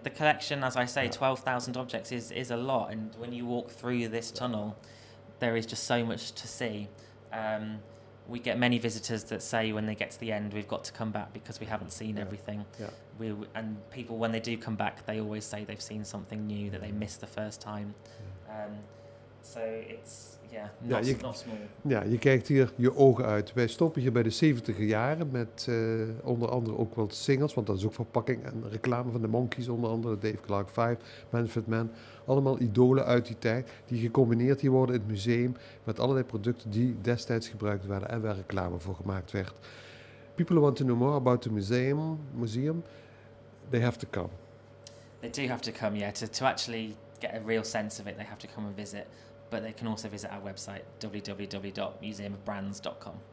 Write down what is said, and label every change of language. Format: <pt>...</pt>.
<en>The collection, as I say, 12,000 objects is a lot. And when you walk through this tunnel, there is just so much to see. We get many visitors that say when they get to the end, we've got to come back because we haven't seen everything. Yeah. And people, when they do come back, they always say they've seen something new that they missed the first time. Yeah. So it's not small.</en> <nl>Je kijkt hier je ogen uit. Wij stoppen hier bij de 70e jaren met onder andere ook wel singles, want dat is ook verpakking en reclame van de Monkees, onder andere Dave Clark 5, Manfred Mann. Allemaal idolen uit die tijd die gecombineerd hier worden in het museum met allerlei producten die destijds gebruikt werden en waar reclame voor gemaakt werd.</nl> <en>People want to know more about the museum. They have to come. They do have to come, yeah, to actually get a real sense of it. They have to come and visit, but they can also visit our website, www.museumofbrands.com.</en>